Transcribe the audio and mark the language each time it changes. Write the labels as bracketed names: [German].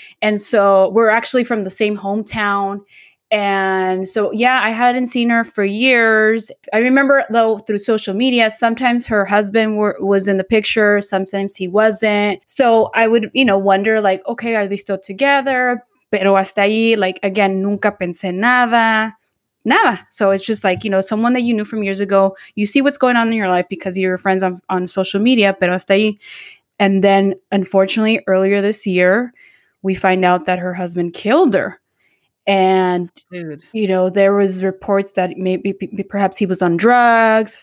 [English] And so we're actually from the same hometown. And so, yeah, I hadn't seen her for years. I remember, though, through social media, sometimes her husband was in the picture. Sometimes he wasn't. So I would, you know, wonder, like, okay, are they still together? [Spanish] Pero hasta ahí, [English] like, again, [Spanish] nunca pensé nada. Nada. [English] So it's just like, you know, someone that you knew from years ago, you see what's going on in your life because you're friends on social media, [Spanish] pero hasta ahí. [English] And then unfortunately, earlier this year, we find out that her husband killed her. And, you know, there was reports that maybe perhaps he was on drugs.